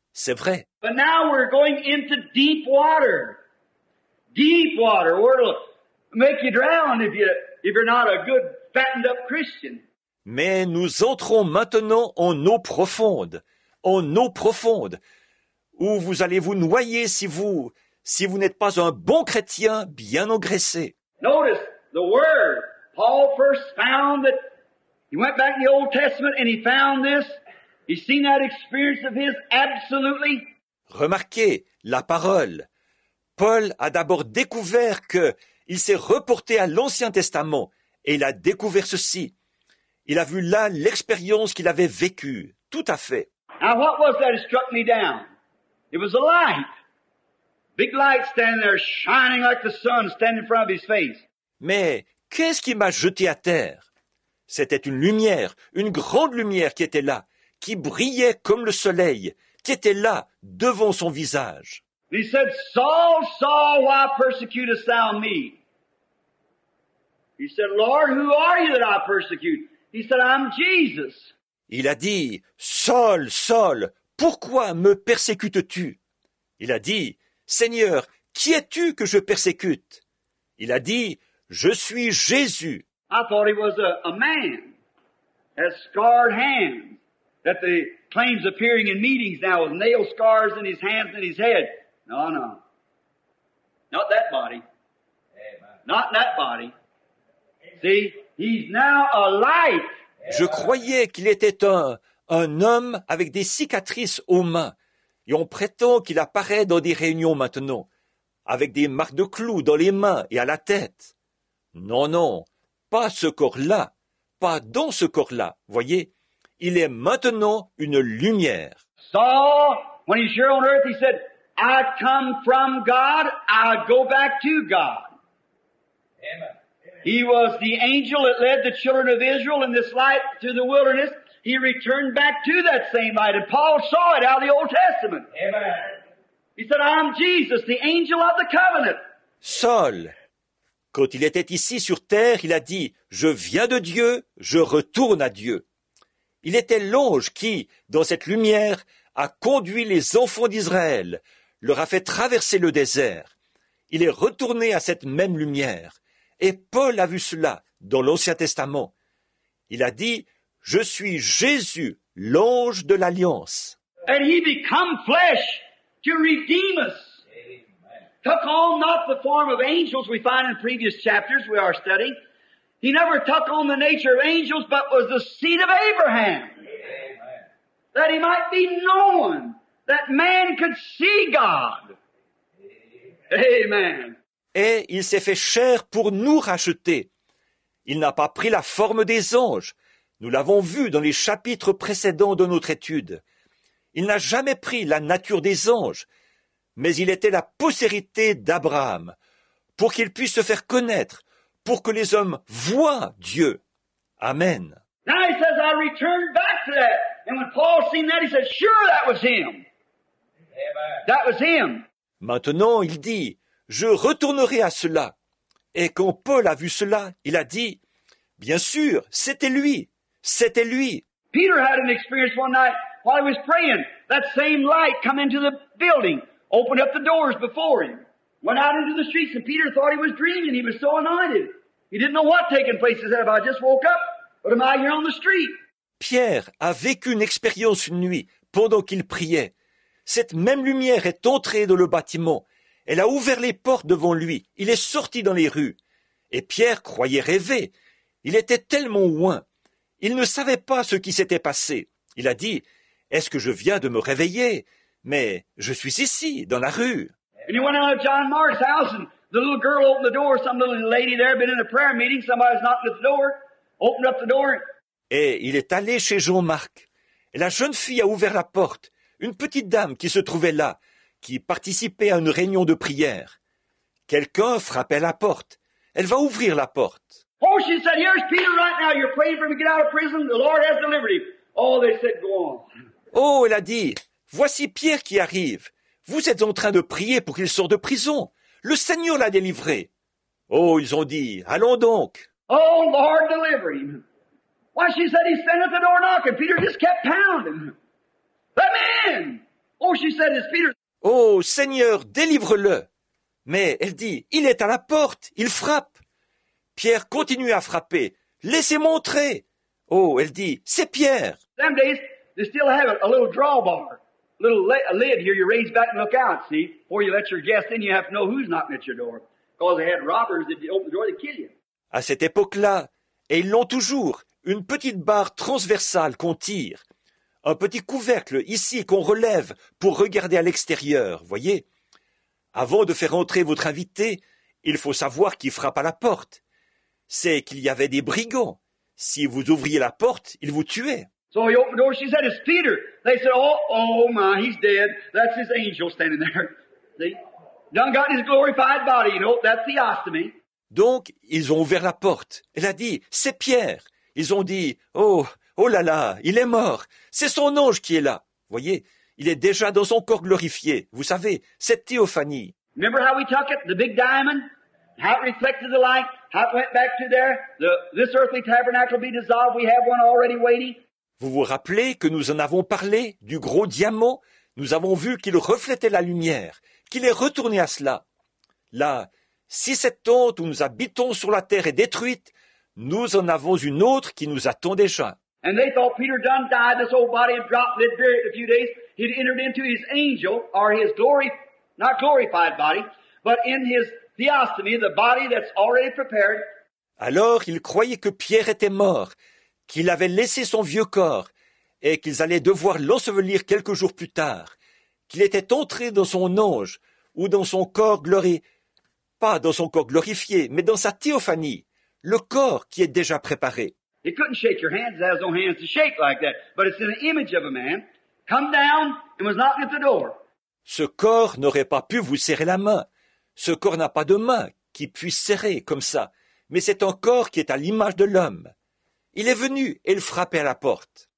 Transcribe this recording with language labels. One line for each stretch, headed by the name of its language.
French: C'est vrai.
English: But now we're going into deep water. Deep water, where it'll make you drown if you're not a good, fattened up Christian.
French: Mais nous entrons maintenant en eau profonde. En eau profonde. Où vous allez vous noyer si vous n'êtes pas un bon chrétien bien engraissé.
English: Notice the word. Paul first found that he went back in the Old Testament and he found this. He seen that experience of his absolutely.
French: Remarquez la parole. Paul a d'abord découvert que il s'est reporté à l'Ancien Testament et il a découvert ceci. Il a vu là l'expérience qu'il avait vécue, tout à fait.
English: Now what was that struck me down? It was a light. Big light standing there shining like the sun standing in front of his face.
French: Mais qu'est-ce qui m'a jeté à terre? C'était une lumière, une grande lumière qui était là, qui brillait comme le soleil, qui était là devant son visage.
English: He said, Saul, Saul, why persecutest thou me? He said, Lord, who are you that I persecute? He said, I'm Jesus.
French: Il a dit, Saul, Saul, pourquoi me persécutes-tu? Il a dit, Seigneur, qui es-tu que je persécute? Il a dit, je suis Jésus.
English: I thought he was a man, has scarred hands, that the claims appearing in meetings now with nail scars in his hands and his head. No, no. Not that body. Amen. Not that body. See, he's now a light.
French: Je croyais qu'il était un homme avec des cicatrices aux mains. Et on prétend qu'il apparaît dans des réunions maintenant, avec des marques de clous dans les mains et à la tête. Non, non, pas ce corps-là, pas dans ce corps-là, voyez. Il est maintenant une lumière.
English: Saul, when he's here on earth, he said, I come from God, I go back to God. Amen. He was the angel that led the children of Israel in this light to the wilderness. He returned back to that same light. And Paul saw it out of the Old Testament. Amen. He said, I'm Jesus, the angel of the covenant.
French: Saul, quand il était ici sur terre, il a dit, je viens de Dieu, je retourne à Dieu. Il était l'ange qui, dans cette lumière, a conduit les enfants d'Israël, leur a fait traverser le désert. Il est retourné à cette même lumière. Et Paul a vu cela dans l'Ancien Testament. Il a dit, « Je suis Jésus, l'ange de l'Alliance. »
English: And he become flesh to redeem us. Amen. Took on not the form of angels we find in previous chapters we are studying. He never took on the nature of angels, but was the seed of Abraham. Amen. That he might be known, that man could see God. Amen.
French: Et il s'est fait chair pour nous racheter. Il n'a pas pris la forme des anges. Nous l'avons vu dans les chapitres précédents de notre étude. Il n'a jamais pris la nature des anges, mais il était la postérité d'Abraham, pour qu'il puisse se faire connaître, pour que les hommes voient Dieu. Amen.
English: Now he says, I returned back to that. And when Paul seen that, he said, sure, that was him. That was him.
French: Maintenant, il dit, je retournerai à cela. Et quand Paul a vu cela, il a dit, bien sûr, c'était lui. C'était lui.
English: Peter had an experience one night while he was praying. That same light come into the building, opened up the doors before him, went out into the streets, and Peter thought he was dreaming. He was so anointed. He didn't know what taking place is. I just woke up. What am I here on the street?
French: Pierre a vécu une expérience une nuit pendant qu'il priait. Cette même lumière est entrée dans le bâtiment. Elle a ouvert les portes devant lui. Il est sorti dans les rues. Et Pierre croyait rêver. Il était tellement loin. Il ne savait pas ce qui s'était passé. Il a dit, « Est-ce que je viens de me réveiller? Mais je suis ici, dans la rue. »
English: And he went out of John Mark's house, and the little girl opened the door. Some little lady there had been in a prayer meeting. Somebody was knocking at the door, opened up the door.
French: Et il est allé chez Jean-Marc. Et la jeune fille a ouvert la porte. Une petite dame qui se trouvait là, qui participait à une réunion de prière. Quelqu'un frappait à la porte. Elle va ouvrir la porte.
English: Oh, she said, here's Peter right now. You're praying for me to get out of prison. The Lord has delivered him. Oh, they said, go on.
French: Oh, elle a dit, voici Pierre qui arrive. Vous êtes en train de prier pour qu'il sorte de prison. Le Seigneur l'a délivré. Oh, ils ont dit, allons donc.
English: Oh, Lord, deliver him. Why, she said, he's standing at the door knocking. Peter just kept pounding. Let me in. Oh, she said, it's Peter.
French: Oh, Seigneur, délivre-le. Mais elle dit, il est à la porte, il frappe. Pierre continue à frapper. Laissez-moi entrer. Oh, elle dit, c'est Pierre.
English: Some days, they still have a little drawbar. A little lid here, you raise back and look out, see? Before you let your guest in, you have to know who's knocking at your door. Because they had robbers, if you open the door, they kill you.
French: À cette époque-là, et ils l'ont toujours, une petite barre transversale qu'on tire. Un petit couvercle ici qu'on relève pour regarder à l'extérieur, voyez? Avant de faire entrer votre invité, il faut savoir qui frappe à la porte. C'est qu'il y avait des brigands. Si vous ouvriez la porte, ils vous tuaient.
English: So he opened the door, she said, it's Peter. They said, oh my, he's dead. That's his angel standing there. See? Done got his glorified body, you know, that's the ostomy.
French: Donc, ils ont ouvert la porte. Elle a dit, c'est Pierre. Ils ont dit, oh là là, il est mort. C'est son ange qui est là. Voyez, il est déjà dans son corps glorifié. Vous savez, cette théophanie.
English: Remember how we took it, the big diamond? How it reflected the light? How it went back to there? This earthly tabernacle will be dissolved. We have one already waiting.
French: Vous vous rappelez que nous en avons parlé, du gros diamant? Nous avons vu qu'il reflétait la lumière, qu'il est retourné à cela. Là, si cette tente où nous habitons sur la terre est détruite, nous en avons une autre qui nous attend déjà.
English: And they thought Peter done died, this old body had dropped, lived very a few days. He'd entered into his angel, or his glory, not glorified body, but in his theostomy, the body that's already prepared.
French: Alors, ils croyaient que Pierre était mort, qu'il avait laissé son vieux corps et qu'ils allaient devoir l'ensevelir quelques jours plus tard, qu'il était entré dans son ange ou dans son corps glorifié, pas dans son corps glorifié, mais dans sa théophanie, le corps qui est déjà préparé.
English: He couldn't shake your hands, he has no hands to shake like that, but it's an image of a man, come down and was knocking at the door.
French: Ce corps n'aurait pas pu vous serrer la main, ce corps n'a pas de main qui puisse serrer comme ça, mais c'est un corps qui est à l'image de l'homme. Il est venu et il frappait à la porte.